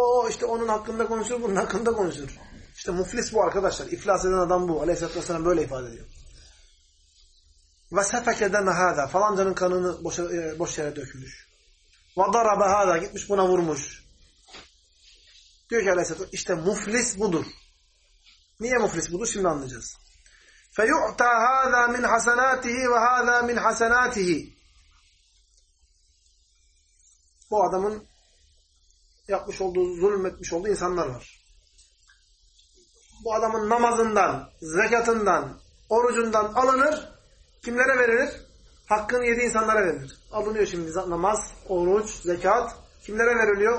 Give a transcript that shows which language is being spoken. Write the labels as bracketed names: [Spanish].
[Turkish] İşte onun hakkında konuşur, bunun hakkında konuşur. İşte muflis bu arkadaşlar. İflas eden adam bu. Aleyhisselatü Vesselam böyle ifade ediyor. [Arabic] Ve sefekeden hâda. [Turkish] Falancanın kanını boş yere dökülmüş. [Arabic] Ve darabe hâda. [Turkish] Gitmiş buna vurmuş. Diyor ki Aleyhisselatü Vesselam işte muflis budur. Niye muflis budur? Şimdi anlayacağız. [Arabic] فَيُعْتَى هَذَا مِنْ حَسَنَاتِهِ وَهَذَا مِنْ حَسَنَاتِهِ [Turkish] bu adamın yapmış olduğu, zulmetmiş olduğu insanlar var. Bu adamın namazından, zekatından, orucundan alınır. Kimlere verilir? Hakkını yediği insanlara verilir. Alınıyor şimdi namaz, oruç, zekat. Kimlere veriliyor?